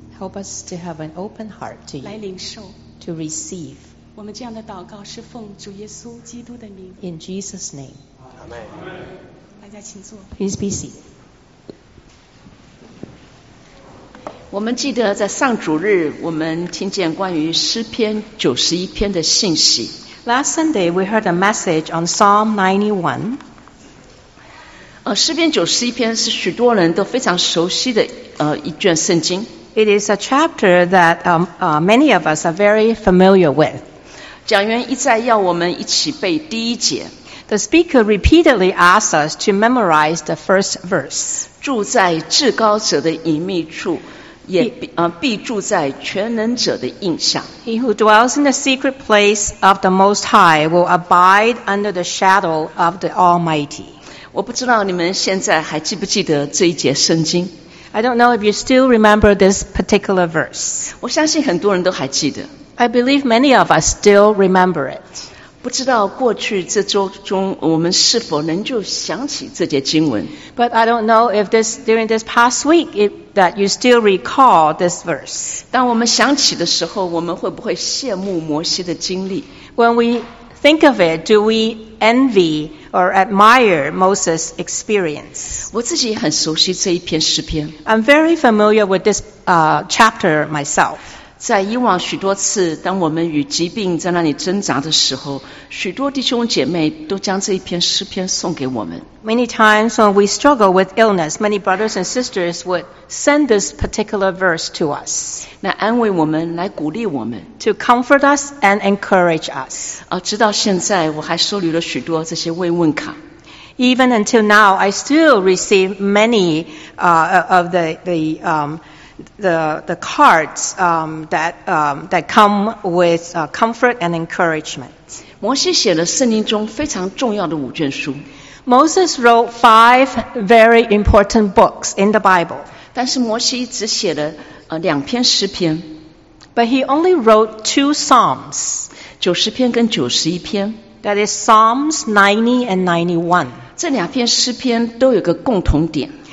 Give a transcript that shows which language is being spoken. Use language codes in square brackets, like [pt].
[en] Help us to have an open heart to you. [zh] 来领受。 [en] To receive. [zh] 我们这样的祷告是奉主耶稣基督的名。 [en] In Jesus' name. Amen. [zh] 大家请坐。 [en] Please be seated. [zh] 我们记得在上主日，我们听见关于诗篇九十一篇的信息。 [en] Last Sunday, we heard a message on Psalm 91. [zh] 诗篇九十一篇是许多人都非常熟悉的一卷圣经。 [en] It is a chapter that many of us are very familiar with. [zh] 讲员一再要我们一起背第一节。 [en] The speaker repeatedly asks us to memorize the first verse. [zh] 住在至高者的隐秘处，也必住在全能者的荫下。 [en] He who dwells in the secret place of the Most High will abide under the shadow of the Almighty. [zh] 我不知道你们现在还记不记得这一节圣经。 [en] I don't know if you still remember this particular verse. [zh] 我相信很多人都还记得。 [en] I believe many of us still remember it. [zh] 不知道过去这周中我们是否能就想起这节经文。 [en] But I don't know if this, during this past week that you still recall this verse. [zh] 当我们想起的时候，我们会不会羡慕摩西的经历？ [en] When we think of it, do we envy or admire Moses' experience? [zh] 我自己也很熟悉这一篇诗篇。 [en] I'm very familiar with this chapter myself. [zh] 在以往许多次，当我们与疾病在那里挣扎的时候，许多弟兄姐妹都将这一篇诗篇送给我们。 [en] Many times when we struggle with illness, many brothers and sisters would send this particular verse to us. [zh] 来安慰我们，来鼓励我们。 [en] To comfort us and encourage us. [zh] 直到现在，我还收留了许多这些慰问卡。 [en] Even until now, I still receive many of the cards that come with comfort and encouragement. [zh] 摩西写了圣经中非常重要的五卷书。 [en] Moses wrote five very important books in the Bible. [zh] 但是摩西只写了两篇诗篇。 [en] But he only wrote two Psalms. [zh] 九十篇跟九十一篇。 [en] That is Psalms 90 and 91. [zh] 这两篇诗篇都有个共同点。